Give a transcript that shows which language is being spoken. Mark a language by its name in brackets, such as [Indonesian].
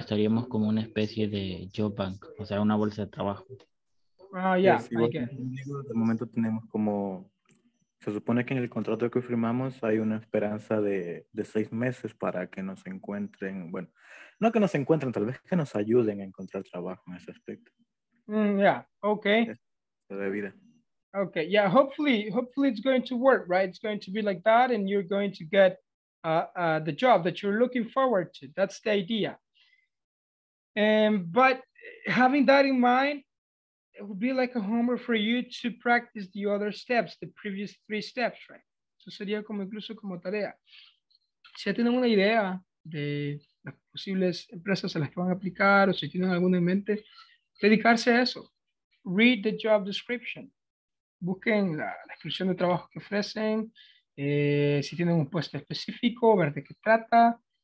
[Spanish] Estaríamos como una especie de job bank, o sea, una bolsa de trabajo. De momento tenemos como, se supone que en el contrato que firmamos hay una esperanza de 6 meses para que nos encuentren, bueno, no que nos encuentren, tal vez que nos ayuden a encontrar trabajo en ese aspecto. [English] Okay, yeah, hopefully it's going to work, right? It's going to be like that and you're going to get the job that you're looking forward to. That's the idea. But having that in mind, it would be like a homework for you to practice the other steps, the previous 3 steps, right? [Spanish] Eso sería como incluso como tarea. Si ya tienen una idea de las posibles empresas a las que van a aplicar o si tienen alguna en mente, dedicarse a eso. [English] Read the job description. [Spanish] Busquen la descripción de trabajo que ofrecen. Si tienen un puesto específico, ver de qué trata.